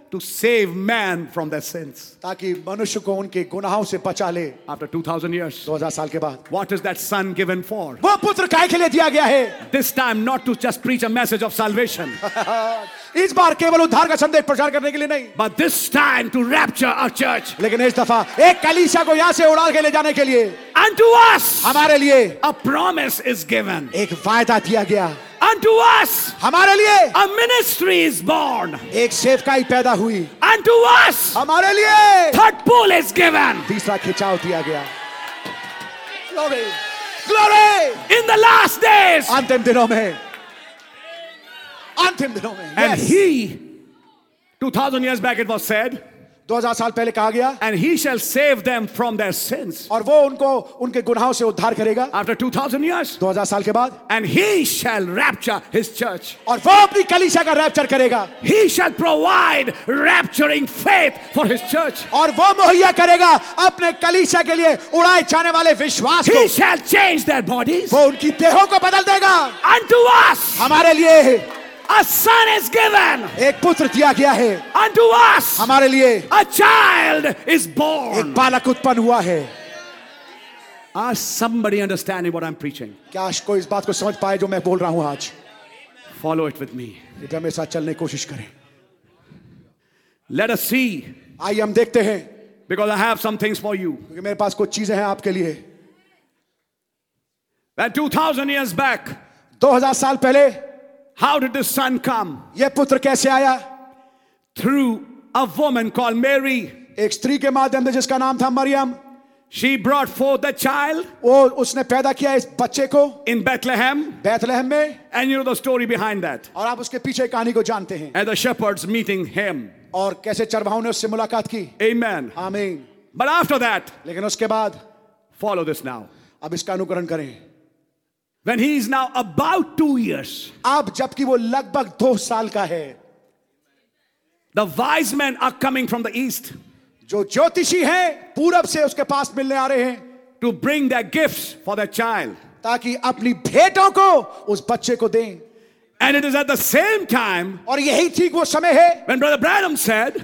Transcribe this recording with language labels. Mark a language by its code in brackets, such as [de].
[en] To save man from their sins. [hi] ताकि मनुष्य को उनके गुनाहों से बचा ले. [en] After 2000 years. [hi] 2000 साल के बाद. [en] What is that son given for? [hi] वो पुत्र काहे के लिए दिया गया है? [en] This time not to just preach a message of salvation. [hi] इस बार केवल उद्धार का संदेश प्रचार करने के लिए नहीं. [en] But this time to rapture our church. [hi] लेकिन इस दफा एक कलीसिया को यहाँ से उड़ा के ले जाने के लिए. [en] Unto us. [hi] हमारे लिए. [en] A promise is given. [hi] एक वायदा दिया गया. [en] Unto us. [hi] हमारे लिए. [en] A ministry is born. [hi] एक सेवकाई पैदा हुई. [en] Unto us. [hi] हमारे लिए. [en] Third pull is given. [hi] तीसरा खिंचाव दिया गया. Glory. [en] Glory. In the last days. [hi] अंतिम दिनों में. अंतिम दिनों में. [en] And he, 2000 years back it was said. [hi] 2000 साल पहले कहा गया. [en] And he shall save them from their sins. [hi] और वो उनको उनके गुनाहों से उद्धार करेगा. [en] After 2000 years. [hi] 2000 साल के बाद. [en] And he shall rapture his church. [hi] और वो अपनी कलीसिया का रैप्चर करेगा. [en] He shall provide rapturing faith for his church. [hi] और वो मुहैया करेगा अपने कलीसिया के लिए उड़ाए जाने वाले विश्वास को. [en] He shall change their bodies. [hi] वो उनकी देहों को बदल देगा. [en] Unto us. [hi] हमारे लिए. [en] A son is given. [hi] एक पुत्र दिया गया है. [en] Unto us. [hi] हमारे लिए. [en] A child is born. [hi] एक बालक उत्पन्न हुआ है. [en] Are somebody understanding what I'm preaching? [hi] क्या कोई इस बात को समझ पाए जो मैं बोल रहा हूं आज? [en] Follow it with me. [hi] इधर मेरे साथ चलने की कोशिश करें. [en] Let us see. [hi] आइए हम देखते हैं. [en] Because I have some things for you. [hi] क्योंकि मेरे पास कुछ चीजें हैं आपके लिए. [en] And 2000 years back. [hi] 2000 साल पहले. [en] How did this son come? [hi] ये पुत्र कैसे आया? [en] Through a woman called Mary. [hi] एक स्त्री के माध्यम से जिसका नाम था Maryam. [en] She brought forth the child. [hi] वो उसने पैदा किया इस बच्चे को. [en] In Bethlehem. [hi] बेथलहम में. [en] And you know the story behind that. [hi] और आप उसके पीछे कहानी को जानते हैं. [en] And the shepherds meeting him. [hi] और कैसे चरवाहों ने उससे मुलाकात की. [en] Amen. [hi] आमीन. [en] But after that. [hi] लेकिन उसके बाद. [en] Follow this now. [hi] अब इसका अनुकरण करें. [en] When he is now about 2 years, [hi] अब जबकि वो लगभग 2 साल का है, [en] the wise men are coming from the east, [hi] जो ज्योतिषी हैं पूरब से उसके पास मिलने आ रहे हैं, [en] to bring their gifts for the child, [hi] ताकि अपनी भेंटों को उस बच्चे को दें, [en] and it is at the same time, [hi] और यही ठीक वो समय है, [en] when Brother Branham said,